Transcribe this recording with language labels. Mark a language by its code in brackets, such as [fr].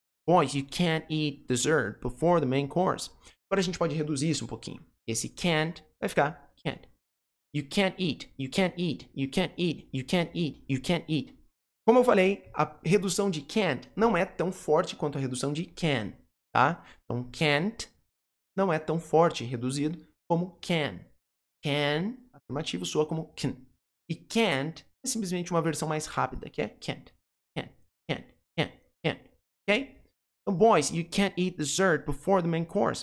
[en] Boys, you can't eat dessert before the main course. [pt] Agora a gente pode reduzir isso um pouquinho. Esse can't vai ficar can't. [en] You can't eat. You can't eat. You can't eat. You can't eat. You can't eat. [pt] Como eu falei, a redução de can't não é tão forte quanto a redução de can, tá? Então, can't não é tão forte, reduzido, como can. Can, afirmativo, soa como can. E can't é simplesmente uma versão mais rápida, que é can't. [en] Can't, can't, can't, can't. Ok? So boys, you can't eat dessert before the main course.